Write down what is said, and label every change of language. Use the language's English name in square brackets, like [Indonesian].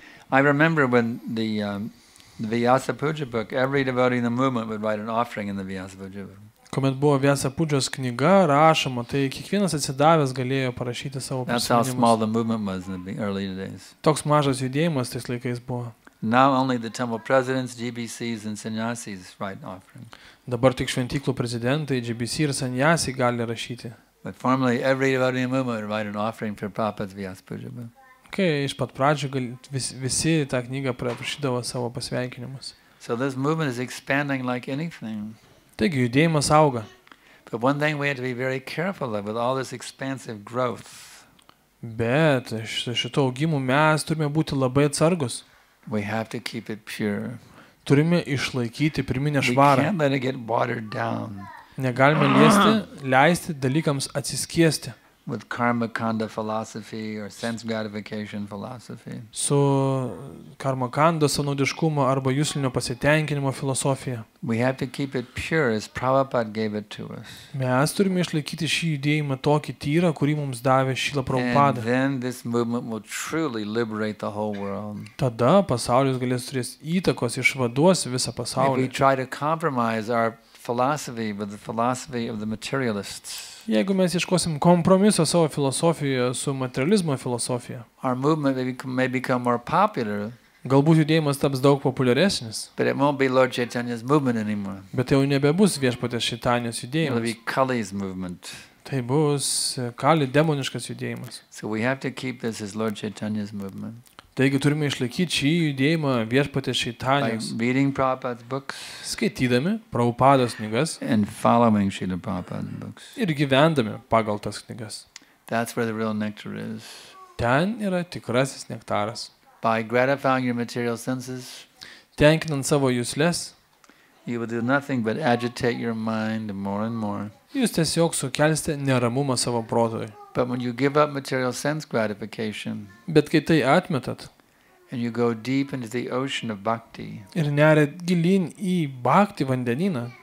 [English] I remember when the Vyasa Puja book, every devotee in the movement would write an offering in the Vyasa Puja book. [Lithuanian] Kuomet buvo Vyasa Pujos knyga rašoma, tai kiekvienas atsidavęs galėjo parašyti savo prisiminimus. [English] That's how small the movement was in the early days. [Lithuanian] Toks mažas judėjimas tais laikais buvo. [English] Now only the temple presidents, GBCs and sannyasis write offerings. [Lithuanian] Dabar tik šventyklų prezidentai, GBC ir sannyasi gali rašyti. [English] But formally every devotee in the movement would write an offering for Prabhupada's Vyasa Puja book. [Lithuanian] Kai iš pat pradžių visi tą knygą prašydavo savo pasveikinimus. [English] So this movement is expanding like anything. [Lithuanian] Taigi judėjimas auga. [English] But one thing we have to be very careful of with all this expansive growth. [Lithuanian] Bet šito augimu mes turime būti labai atsargus. [English] We have to keep it pure. [Lithuanian] Turime išlaikyti pirminę švarą. [English] We can't let it get watered down. [Lithuanian] Negalime leisti dalykams atsiskiesti. [English] With karma kanda philosophy or sense gratification philosophy. [Lithuanian] Su karma kanda sanaudiškumo arba juslinio pasitenkinimo filosofija. [English] We have to keep it pure as Prabhupada gave it to us. [Lithuanian] Mes turime išlaikyti šį judėjimą tokį tyrą, kurį mums davė Šila Prabhupada. [English] And then this movement will truly liberate the whole world. [Lithuanian] Tada pasaulis galės turės įtakos, išvaduos visą pasaulį. [English] If we try to compromise our philosophy with the philosophy of the materialists. [Lithuanian] Jeigu mes ieškosim kompromiso savo filosofijoje su materializmo filosofija, [English] our movement may become more popular. [Lithuanian] Galbūt judėjimas taps daug populiaresnis. [English] But it won't be Lord Chaitanya's movement anymore. [Lithuanian] Bet jau nebebus viešpatės Šaitanijos judėjimas. [English] It'll be Kali's movement. [Lithuanian] Tai bus Kali demoniškas judėjimas. [English] So we have to keep this as Lord Chaitanya's movement. [Lithuanian] Taigi turime išlaikyti šį judėjimą viešpatės Šaitanijos. [English] By reading Prabhupada's books. [Lithuanian] Skaitydami Prabhupados knygas. [English] And following Srila Prabhupada's books. [Lithuanian] Ir gyvendami pagal tas knygas. [English] That's where the real nectar is. [Lithuanian] Ten yra tikrasis nektaras. [English] By gratifying your material senses, [Lithuanian] tenkinant savo jusles, [English] you will do nothing but agitate your mind more and more. [Lithuanian] Jūs tiesiog sukelsite neramumą savo protui. [English] But when you give up material sense gratification, [Lithuanian] bet kai tai atmetat, [English] and you go deep into the ocean of bhakti, [Lithuanian] ir neriat gilyn į bhakti vandenyną,